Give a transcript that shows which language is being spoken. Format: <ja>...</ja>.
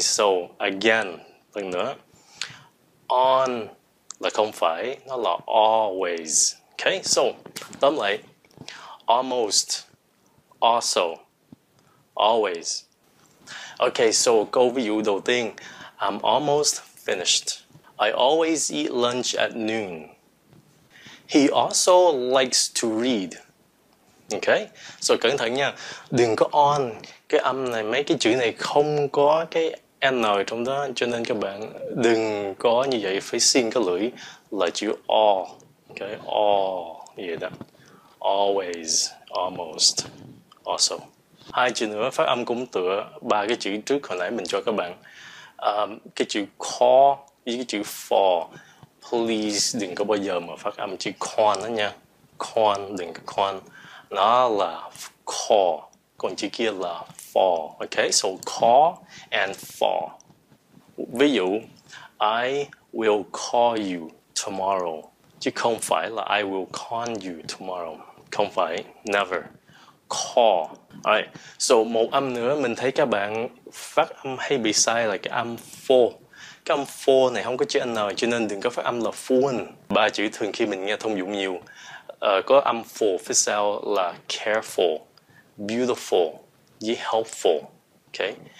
<en>So, again,</en> <vi>lần nữa. On là không phải, nó là always.</vi> <en>Okay, so,</en> <vi>tóm lại.</vi> <en>Almost, also, always. Okay, so,</en> <vi>câu ví dụ đầu tiên.</vi> <en>I'm almost finished. I always eat lunch at noon. He also likes to read. Okay?</en> <vi>So cẩn thận nha. Đừng có</vi> <en>on.</en> <vi>Cái âm này, mấy cái chữ này không có cái N trong đó. Cho nên các bạn đừng có như vậy. Phải xin cái lưỡi là chữ O.</vi> <en>Okay? O.</en> <vi>Vậy đó.</vi> <en>Always. Almost. Also.</en> <vi>Hai chữ nữa phát âm cũng tựa ba cái chữ trước hồi nãy mình cho các bạn. Cái chữ call với cái chữ for.</vi> <en>Please</en> <vi>đừng có bao giờ mà phát âm chữ con đó nha. Con, đừng có con. Nó là call. Còn chữ kia là</vi> <en>for. Okay, so call and for. Ví dụ, I will call you tomorrow.</en> <vi>Chứ không phải là</vi> <en>I will call you tomorrow.</en> <vi>Không phải,</vi> <en>never. Call.</en> <vi>Alright, so một âm nữa mình thấy các bạn phát âm hay bị sai là cái âm for. Cái âm for này không có chữ N, cho nên đừng có phát âm là phone. Ba chữ thường khi mình nghe thông dụng nhiều, có âm for phía sau là careful, beautiful, với helpful. Okay?</vi>